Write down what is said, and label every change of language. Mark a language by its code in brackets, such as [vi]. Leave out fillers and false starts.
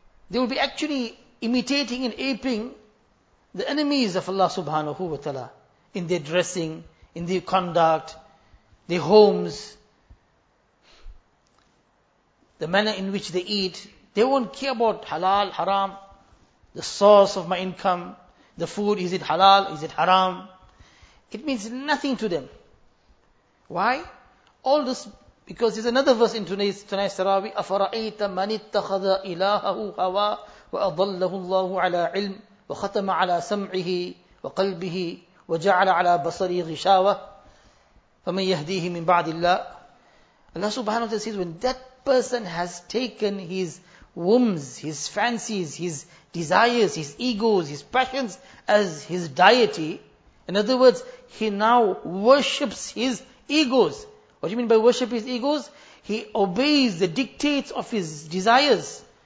[en] They will be actually imitating and aping the enemies of Allah subhanahu wa ta'ala in their dressing, in their conduct, their homes, the manner in which they eat. They won't care about halal, haram, the source of my income, the food, is it halal, is it haram? It means nothing to them. Why? All this, because there's another verse in tonight's Tarawih, [ar] أَفَرَأَيْتَ مَنِ اتَّخَذَ إِلَاهَهُ هَوَى وَأَضَلَّهُ اللَّهُ عَلَىٰ عِلْمٍ وَخَتَمَ عَلَىٰ سَمْعِهِ وَقَلْبِهِ وَجَعَلَ عَلَىٰ بَصَرِي غِشَاوَةِ فَمَنْ يَهْدِيهِ مِنْ بَعْدِ اللَّهِ. [en] Allah subhanahu wa ta'ala says, when that person has taken his whims, his fancies, his desires, his egos, his passions as his deity, in other words, he now worships his egos. What do you mean by worship his egos? He obeys the dictates of his desires.